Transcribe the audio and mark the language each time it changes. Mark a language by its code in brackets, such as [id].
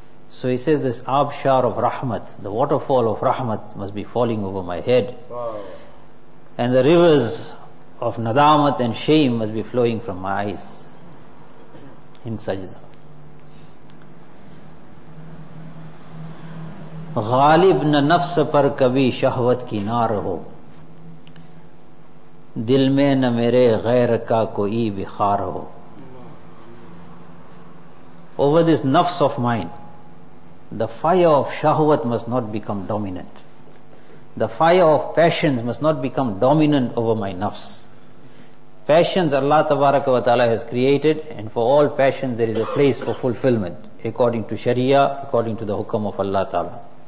[en] So he says, this abshar of rahmat, the waterfall of rahmat must be falling over my head. Wow. And the rivers of nadamat and shame must be flowing from my eyes in sajda. [ur] غالب نہ نفس پر کبھی شہوت کی نار ہو دل میں نہ میرے غیر کا کوئی بخار ہو. [en] Over this nafs of mine, the fire of shahwat must not become dominant. The fire of passions must not become dominant over my nafs. Passions Allah tabaraka wa ta'ala has created, and for all passions there is a place for fulfillment according to sharia, according to the hukam of Allah ta'ala.